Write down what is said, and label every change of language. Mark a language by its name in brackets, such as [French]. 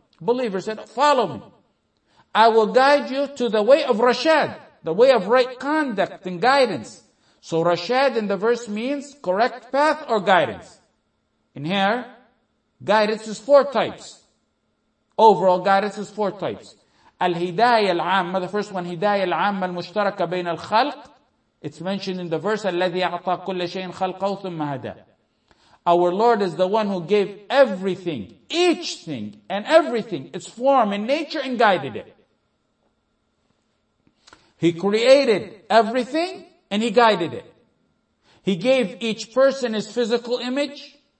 [English] Believer said, follow me. I will guide you to the way of Rashad, the way of right conduct and guidance. So Rashad in the verse means correct path or guidance. In here, guidance is four types. Overall, guidance is four types. [Arabic] Al-Hidayah al-Amma, [English] the first one, [Arabic] Hidayah al-Amma al-Mushtaraka bayna al-Khalq. [English] It's mentioned in the verse, [Arabic] الَّذِي أَعْطَى كُلَّ شَيْءٍ خَلْقَهُ ثُمَّ هَدَى. [English] Our Lord is the one who gave everything, each thing and everything, its form and nature, and guided it. He created everything and He guided it. He gave each person his physical image.